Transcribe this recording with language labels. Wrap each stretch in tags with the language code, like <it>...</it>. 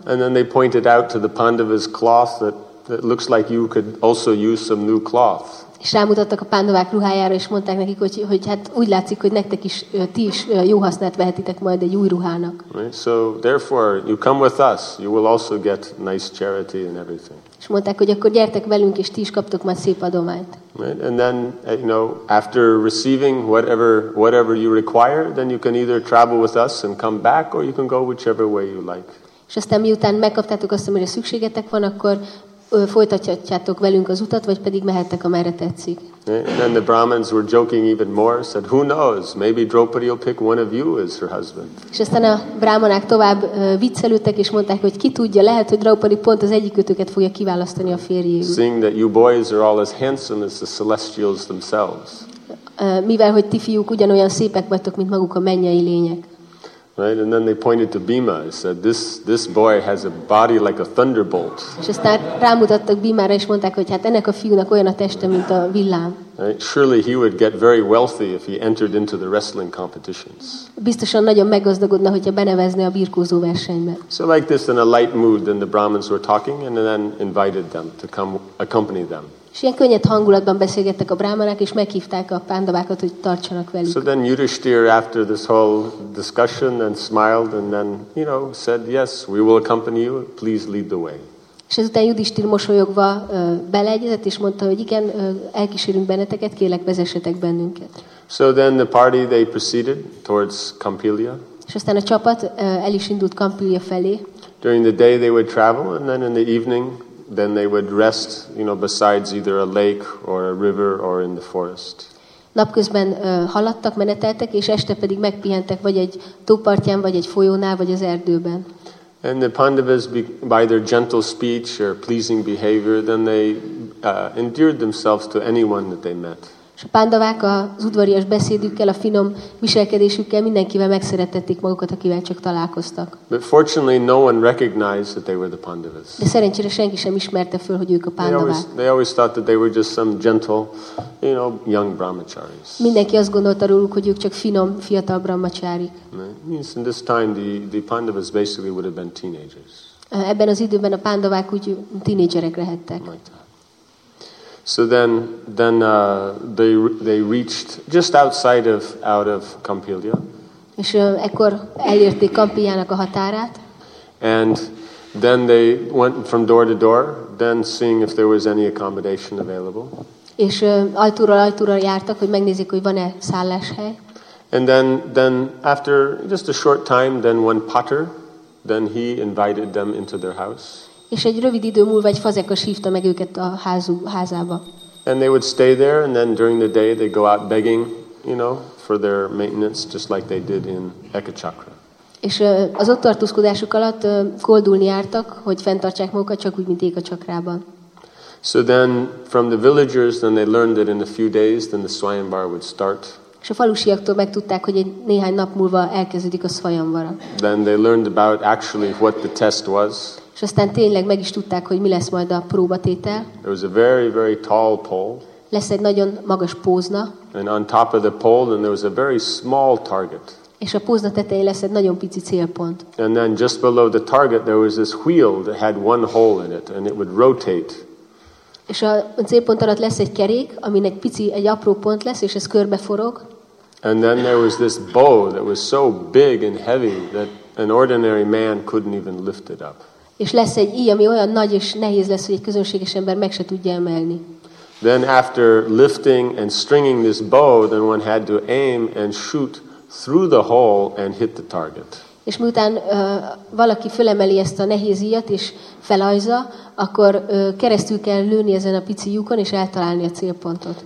<en>And then they pointed out to the Pandavas cloth that looks like you could also use some new cloth.</en> <hu>És rámutattak a pandavák ruhájára, és mondták nekik, hogy hát úgy látszik, hogy nektek is, ti is jó hasznát vehetitek majd egy új ruhának.</hu> <en>Right? So therefore, you come with us, you will also get nice charity and everything.</en> <hu>És mondták, hogy akkor gyertek velünk, és ti is kaptok majd szép adományt.</hu> <en>Right? And then, you know, after receiving whatever you require, then you can either travel with us and come back, or you can go whichever way you like.</en> <hu>És aztán miután megkaptátok azt, amire szükségetek van, akkor folytatjátok velünk az utat, vagy pedig mehettek, amerre tetszik.</hu> <en>And then the Brahmins were joking even more, said, who knows, maybe Draupadi will pick one of you as her husband.</en> <hu>És aztán a brahmanák tovább viccelődtek, és mondták, hogy ki tudja, lehet, hogy Draupadi pont az egyikötöket fogja kiválasztani a férjéül.</hu> <en>Seeing that you boys are all as handsome as the celestials themselves.</en> <hu>Mivel, hogy ti fiúk ugyanolyan szépek vagytok, mint maguk a mennyei lények.</hu> <en>Right, and then they pointed to Bhima and said, "This boy has a body like a thunderbolt."</en> <hu>És aztán rámutattak Bhimára, és mondták, hogy hát ennek a fiúnak olyan a teste, mint a villám.</hu> <en>Right? Surely he would get very wealthy if he entered into the wrestling competitions.</en> <hu>Biztosan nagyon meggazdagodna, hogyha benevezné a birkózó versenybe.</hu> <en>So like this, in a light mood, then the Brahmins were talking, and then invited them to come accompany them.</en> <hu>És ilyen könnyed hangulatban beszélgettek a brámanák, és meghívták a pándavákat, hogy tartsanak velük.</hu> <en>So then Yudhishthir, after this whole discussion, then smiled, and then, you know, said, yes, we will accompany you, please lead the way.</en> <hu>És ezután Yudhishthir mosolyogva beleegyezett, és mondta, hogy igen, elkísérünk benneteket, kérlek, vezessetek bennünket.</hu> <en>So then the party, they proceeded towards Kampilya.</en> <hu>És aztán a csapat el is indult Kampilya felé.</hu> <en>During the day they would travel, and then in the evening, then they would rest, you know, besides either a lake or a river or in the forest.</en> <hu>Napközben haladtak, meneteltek, és este pedig megpihentek vagy egy tópartján, vagy egy folyónál, vagy az erdőben.</hu> <en>And the Pandavas, by their gentle speech or pleasing behavior, then they endeared themselves to anyone that they met.</en> <hu>És a pandavák az udvarias beszédükkel, a finom viselkedésükkel mindenkivel megszeretették magukat, akivel csak találkoztak.</hu> <en>But fortunately no one recognized that they were the Pandavas.</en> <hu>De szerencsére senki sem ismerte föl, hogy ők a pandavák.</hu> <en>They always thought that they were just some gentle, you know, young brahmacharis.</en> <hu>Mindenki azt gondolta róluk, hogy ők csak finom, fiatal brahmacharik.</hu> <en>Means in this time the Pandavas basically would have been teenagers.</en> <hu>Ebben az időben a pandavák úgy tínédzserek lehettek.</hu> <en>So then they reached just outside of Kampilya.</en> <hu>És ekkor elérték Kampiljának a határát.</hu> <en>And then they went from door to door, then seeing if there was any accommodation available.</en> <hu>És ajtóról ajtóra jártak, hogy megnézik, hogy van-e szálláshely.</hu> <en>And then after just a short time, then one potter, then he invited them into their house.</en> <hu>És egy rövid idő múlva egy fazekas hívta meg őket a házába.</hu> <en>And they would stay there, and then during the day they go out begging, you know, for their maintenance, just like they did in Ekachakra.</en> <hu>És az ott tartózkodásuk alatt koldulni jártak, hogy fenntartsák magukat, csak úgy, mint Ekachakrában.</hu> <en>So then from the villagers, then they learned that in a few days then the Swayamvar would start.</en> <hu>És a falusiaktól megtudták, hogy egy néhány nap múlva elkezdődik a Swayamvara.</hu> <en>Then they learned about actually what the test was.</en> <hu>És aztán tényleg meg is tudták, hogy mi lesz majd a próbatétel.</hu> <en>There was a very, very tall pole.</en> <hu>Lesz egy nagyon magas pózna.</hu> <en>And on top of the pole, then there was a very small target.</en> <hu>És a pózna tetején lesz egy nagyon pici célpont.</hu> <en>And then just below the target, there was this wheel that had one hole in it, and it would rotate.</en> <hu>És a célpont alatt lesz egy kerék, amin egy pici, egy apró pont lesz, és ez körbeforog.</hu> <en>And then there was this bow that was so big and heavy that an ordinary man couldn't even lift it up.</en> <hu>És lesz egy íj, ami olyan nagy és nehéz lesz, hogy egy közönséges ember meg se tudja emelni.</hu> <en>Then after lifting and stringing this bow, then one had to aim and shoot through the hole and hit the target.</en> <hu>És miután valaki fölemeli ezt a nehéz íjat és felajza, akkor keresztül kell lőni ezen a pici lyukon és eltalálni a célpontot.</hu>